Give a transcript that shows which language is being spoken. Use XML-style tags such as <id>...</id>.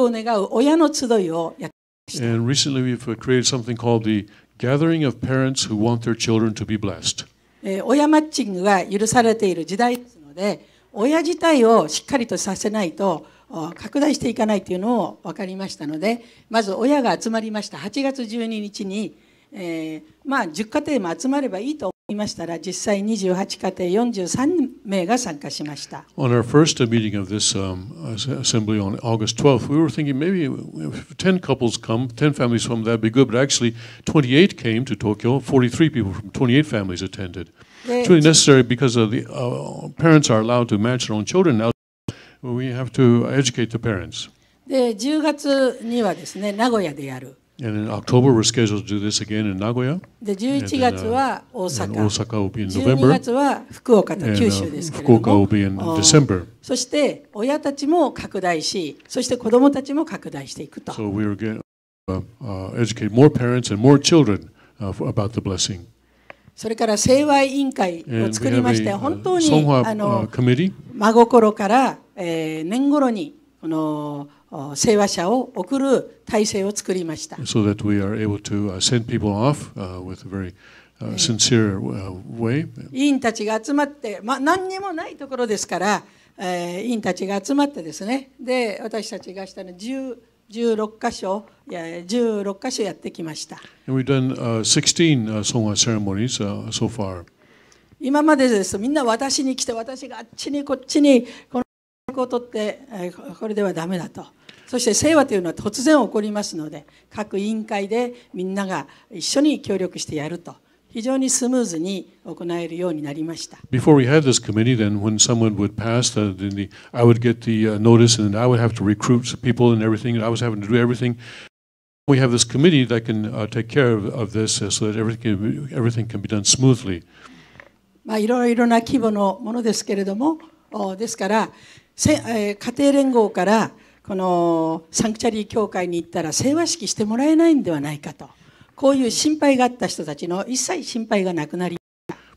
<ja>そして一つ進めているんですが、最近ですね、始めましたのは子供の祝福を願う親の集いをやってました。</ja> <en>And recently we've created something called the Gathering of Parents Who Want Their Children to Be Blessed.</en> <ja>親マッチングが許されている時代ですので、親自体をしっかりとさせないと。拡大していかないというのを分かりましたので、まず親が集まりました。8月12日に。 10家庭も集まればいいと思いましたら、実際28家庭43名が参加しました。</ja> <en>On our first meeting of this assembly on August 12th, we were thinking maybe if 10 couples come, 10 families from that'd be good, but actually 28 came to Tokyo, 43 people from 28 families attended. It's really necessary because of the parents are allowed to match their own children now, so we have to educate the parents.</en> <ja>で、 10月にはですね、名古屋でやる。</ja> <en>And in October, we're scheduled to do this again in Nagoya.</en> <ja>The 11月は大阪.</ja> <en>And Osaka will be in November.</en> <ja>12月は福岡と九州ですけれども。</ja> <en>And Fukuoka will be in December.</en> <ja>そして親たちも拡大し、そして子どもたちも拡大していくと。</ja> <en>So we're going to educate more parents and more children about the blessing.</en> <ja>それから聖和委員会を作りまして、本当に真心から年頃にこの。</ja> <en>So that we are able to send people off with very sincere way.</en> <ja>委員たちが集まって、まあ、何にもないところですから、委員たちが集まってですね。で、私たちがしたの16箇所やってきました。</ja> <en>And we've done 16 songha ceremonies so far.</en> <ja>今までです。みんな私に来て、私があっちにこっちにこの曲を取って、これではダメだと。そして聖話というのは突然起こりますので、各委員会でみんなが一緒に協力してやると。非常にスムーズに行えるようになりました。</ja> <en>Before we had this committee, then when someone would pass, then I would get the notice, and I would have to recruit people and everything, and I was having to do everything. We have this committee that can take care of this, so that everything can be done smoothly.</en> <ja>まあ、いろいろな規模のものですけれども、ですから、家庭連合からこのサンクチャリー教会に行ったら聖和式してもらえないんではないかと。こういう心配があった人たちの一切心配がなくなりました。</ja>